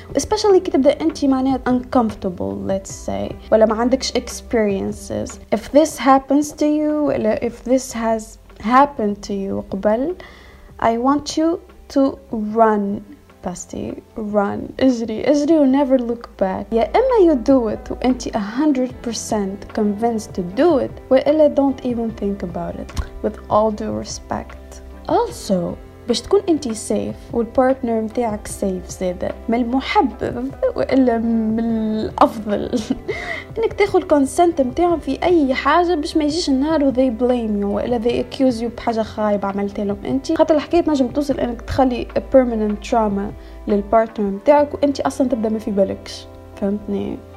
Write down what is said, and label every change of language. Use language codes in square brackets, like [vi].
[en] especially [ar] كي تبدأ أنت معناها [en] uncomfortable let's say [ar] ولا ما عندكش [en] experiences if this happens to you ولا if this has happened to you قبل I want you to run Basti, run, [ar] اجري, اجري و [en] never look back. [ar] يا إما [en] you do it و أنت 100% convinced to do it [ar] و إلا [en] don't even think about it with all due respect. [ar] Also, باش تكون أنت safe و البارتنر متاعك safe زادة من المحبب و إلا من الأفضل إنك تاخد consent متاعهم في أي حاجة باش ما يجيش النار و [en] they blame you [ar] و إلا [en] they accuse you [ar] بحاجة خايبة عملت لهم أنت خاطر الحكاية نجم توصل إنك تخلي [en] a permanent trauma [ar] للبارتنر متاعك و أنت أصلا تبدأ ما في بالكش فهمتني؟